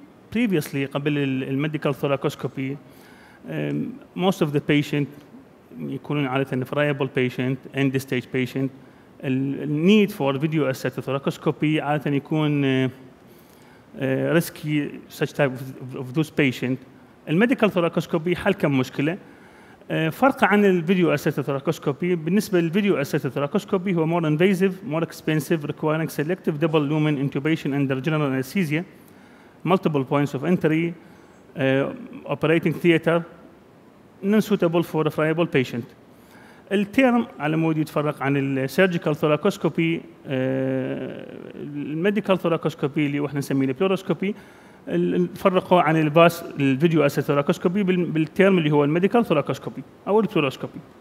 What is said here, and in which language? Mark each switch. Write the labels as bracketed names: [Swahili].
[English] Previously, قبل medical thoracoscopy, most of the patient, [Arabic] يكونون عادة [English] friable patient, end stage patient, need for video assisted thoracoscopy [Arabic] عادة يكون [English] risky such type of those patients [Arabic] الميديكال ثوراكوسكوبي حل كم مشكلة. فرق عن الفيديو أسيت ثوراكوسكوبي، بالنسبة للفيديو أسيت ثوراكوسكوبي هو [English] more invasive, more expensive, requiring selective double lumen intubation under general anesthesia, multiple points of entry, operating theater, non-suitable for a friable patient. [Arabic] الترم على مود يتفرق عن السيرجيكال ثوراكوسكوبي. الميديكال ثوراكوسكوبي اللي احنا نسميه البلوروسكوبي فرقوا عن الباس الفيديو اسيت ثوراكوسكوبي بالترم اللي هو الميديكال ثوراكوسكوبي او البلوروسكوبي.